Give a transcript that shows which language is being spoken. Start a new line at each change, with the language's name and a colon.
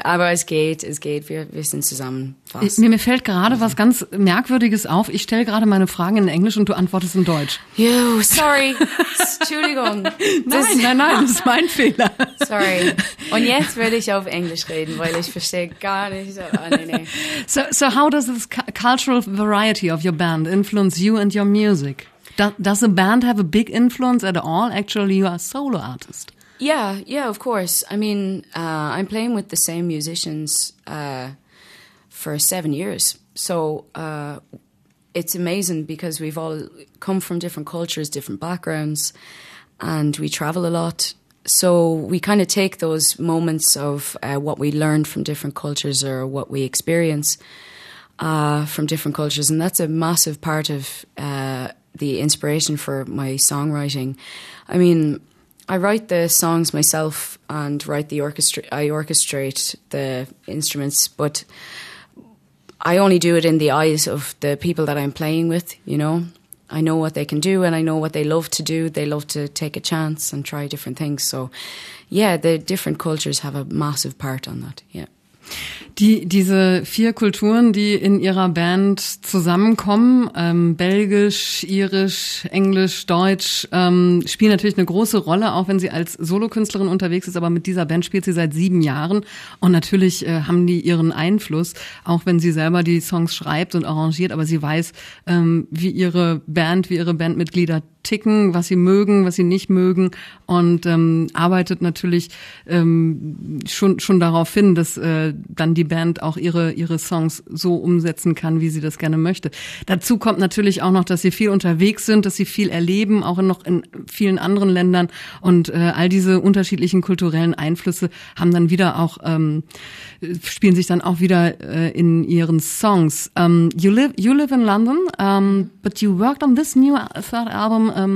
German: Aber es geht, wir sind zusammen fast. Mir fällt gerade was ganz Merkwürdiges auf. Ich stelle gerade meine Fragen in Englisch und du antwortest in Deutsch.
English: Yo, sorry. Entschuldigung.
German: Nein, das ist mein Fehler.
English: Sorry.
German: Und jetzt würde ich auf Englisch reden, weil ich verstehe gar nicht. Oh, nee.
English: So how does this cultural variety of your band influence you and your music? Does a band have a big influence at all? Actually, you are a solo artist. Yeah, of course. I mean, I'm playing with the same musicians for 7 years. So it's amazing because we've all come from different cultures, different backgrounds, and we travel a lot. So we kind of take those moments of what we learned from different cultures or what we experience from different cultures. And that's a massive part of the inspiration for my songwriting. I mean, I write the songs myself and write the orchestra. I orchestrate the instruments, but I only do it in the eyes of the people that I'm playing with, you know. I know what they can do and I know what they love to do. They love to take a chance and try different things. So, yeah, the different cultures have a massive part on that, yeah.
German: Diese vier Kulturen, die in ihrer Band zusammenkommen, Belgisch, Irisch, Englisch, Deutsch, spielen natürlich eine große Rolle, auch wenn sie als Solokünstlerin unterwegs ist. Aber mit dieser Band spielt sie seit 7 Jahren und natürlich haben die ihren Einfluss, auch wenn sie selber die Songs schreibt und arrangiert. Aber sie weiß, wie ihre Bandmitglieder ticken, was sie mögen, was sie nicht mögen und arbeitet natürlich schon darauf hin, dass dann die Band auch ihre Songs so umsetzen kann, wie sie das gerne möchte. Dazu kommt natürlich auch noch, dass sie viel unterwegs sind, dass sie viel erleben, auch noch in vielen anderen Ländern und all diese unterschiedlichen kulturellen Einflüsse haben dann wieder auch spielen sich dann auch wieder in ihren Songs.
English: You live in London, but you worked on this new third album